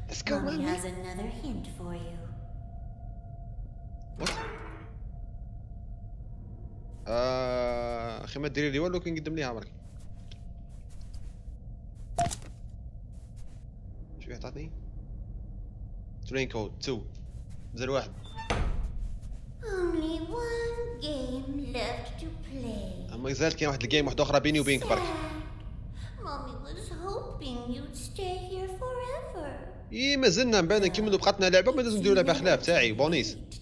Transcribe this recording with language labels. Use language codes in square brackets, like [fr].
[en] Mommy has another hint for you. [ar] اخي ما ديري لي والو كنقدم ليها مرك. شو عطاتني ترين كود 2-1. [en] Only one game left to play. [ar] اما زالت كاين واحد الجيم واحد اخرى بيني وبينك برك. [en] Mommy was hoping you'd stay here forever. [ar] اي مازلنا من بعد نكملوا بقاتنا لعبه ما لازم نديروا لعبه خلاف تاعي بونيس.